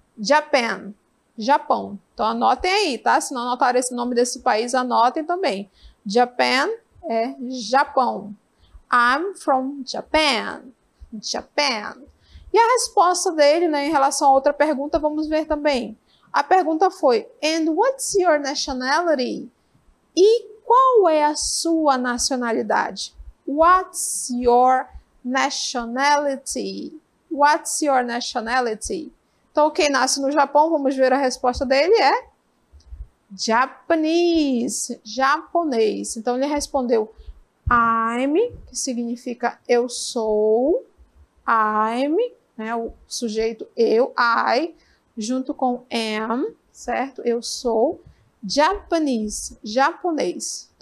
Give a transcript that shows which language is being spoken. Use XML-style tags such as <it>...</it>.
<pt>Japan, Japão. Então anotem aí, tá? Se não anotaram esse nome desse país, anotem também. Japan é Japão.</pt> <en>I'm from Japan, Japan.</en> <pt>E a resposta dele, né, em relação a outra pergunta, vamos ver também. A pergunta foi,</pt> <en>and what's your nationality?</en> <pt>E qual é a sua nacionalidade?</pt> <en>What's your nationality? What's your nationality?</en> <pt>Então, quem nasce no Japão, vamos ver a resposta dele, é Japanese, japonês. Então, ele respondeu, I'm, que significa eu sou, I'm, né, o sujeito eu, I, junto com am, certo? Eu sou Japanese, japonês. Então,</pt>